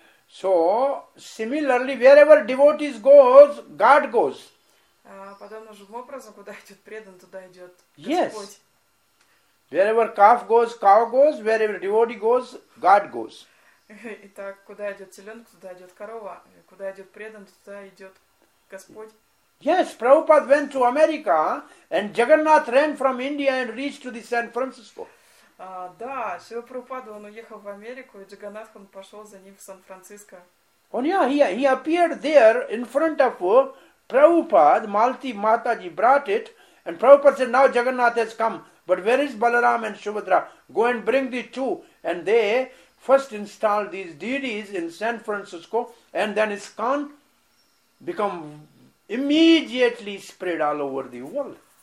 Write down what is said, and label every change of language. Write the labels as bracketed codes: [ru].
[en] So similarly, wherever devotees goes, God goes. [ru] Подобным же образом, куда идет предан, туда идет Господь. [en] Yes. Wherever calf goes, cow goes. Wherever devotee goes, God goes. [ru] Итак, куда идет теленок, туда идет корова. Куда идет предан, туда идет Господь. [en] Yes, Prabhupada went to America, and Jagannath ran from India and reached to the San Francisco. [ru] Да, Шрила Прабхупада, он уехал в Америку, и Джаганнатх, он пошел за ним в Сан-Франциско. [en] Oh yeah, he appeared there in front of Prabhupada, Malati Mataji brought it, and Prabhupada said, now Jagannath has come, but where is Balaram and Subhadra? Go and bring the two, and they first installed these deities in San Francisco, and then ISKCON become immediately spread all over the world.